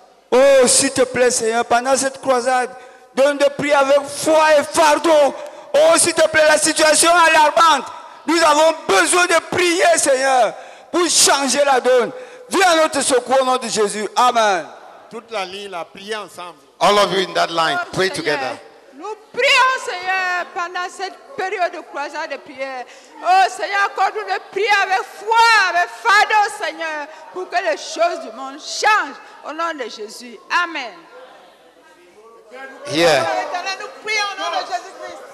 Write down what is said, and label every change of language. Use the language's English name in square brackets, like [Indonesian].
[French] Oh, s'il te plaît, Seigneur, pendant cette croisade, donne-nous de prier avec foi et fardeau. Oh, s'il te plaît, la situation est alarmante. Nous avons besoin de prier, Seigneur, pour changer la donne. Viens à notre secours au nom de Jésus. Amen. Toute la ligne, la prier ensemble. [English] All of you in that line, pray Seigneur, together. [French] Nous prions, Seigneur, pendant cette période de croisade de prière. Oh, Seigneur, accorde-nous de prier avec foi, avec fardeau, Seigneur, pour que les choses du monde changent au nom de Jésus. Amen. [English] Yeah. [French] Nous prions au nom de Jésus-Christ.